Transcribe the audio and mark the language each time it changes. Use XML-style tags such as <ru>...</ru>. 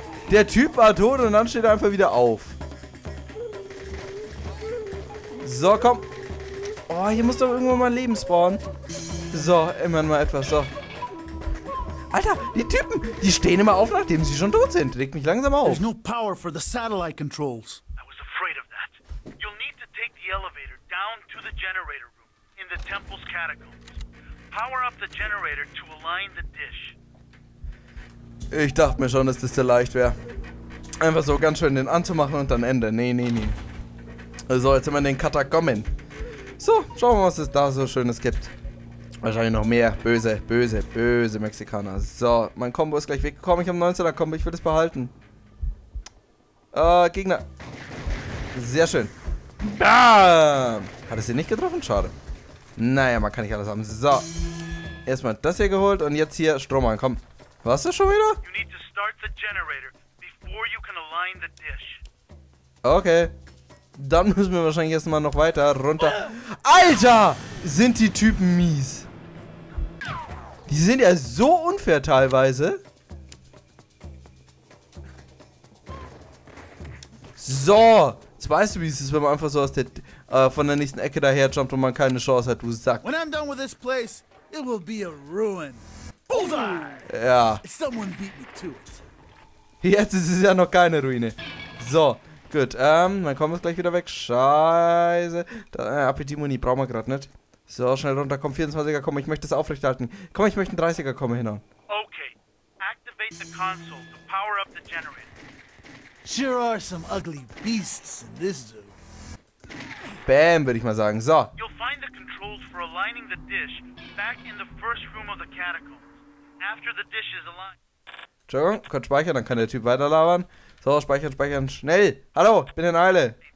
<de>Der Typ war tot und dann steht er einfach wieder auf. So, komm. Oh, hier muss doch irgendwo mal Leben spawnen. So, immer mal etwas, so. Alter, die Typen, die stehen immer auf, nachdem sie schon tot sind. Leg mich langsam auf.</de> <en>There's no power for the satellite controls. I was afraid of that. You'll need to take the elevator down to the generator room in the temple's catacombs. Power up the generator to align the dish.</en> <de>Ich dachte mir schon, dass das sehr leicht wäre. Einfach so ganz schön den anzumachen und dann Ende. Nee, nee, nee. So, jetzt sind wir in den Katakomben. So, schauen wir mal, was es da so Schönes gibt. Wahrscheinlich noch mehr. Böse, böse, böse Mexikaner. So, mein Kombo ist gleich weggekommen. Ich habe 19er Kombo. Ich will das behalten. Gegner. Sehr schön. Bam! Hat es ihn nicht getroffen? Schade. Naja, man kann nicht alles haben. So. Erstmal das hier geholt und jetzt hier Strom an. Komm. Warst du schon wieder?</de> <en>You need to start the generator before you can align the dish. Okay.</en> <de>Dann müssen wir wahrscheinlich erstmal noch weiter runter. Alter! Sind die Typen mies. Die sind ja so unfair teilweise. So. Jetzt weißt du, wie es ist, wenn man einfach so aus der, von der nächsten Ecke daher jumpt und man keine Chance hat, du Sack.</de> <en>When I'm done with this place, it will be a ruin. Bullseye!</en> <de>Ja.</de> <en>Someone beat me to it.</en> <de>Jetzt ist es ja noch keine Ruine. So. Gut, mein Kombo ist gleich wieder weg. Scheiße. Appetit-Muni brauchen wir gerade nicht. So, schnell runter. Komm, 24er, komm, ich möchte das aufrechterhalten. Komm, ich möchte einen 30er, komm, hinein.</de> <en>Okay. Activate the console to power up the generator. Sure are some ugly beasts in this zoo.</en> <de>Bam, würde ich mal sagen. So.</de> <en>You'll find the controls for aligning the dish back in the first room of the catacombs. After the dish is aligned.</en> <de>Entschuldigung, kurz speichern, dann kann der Typ weiter labern. So, speichern, speichern, schnell. Hallo, ich bin in Eile.</de>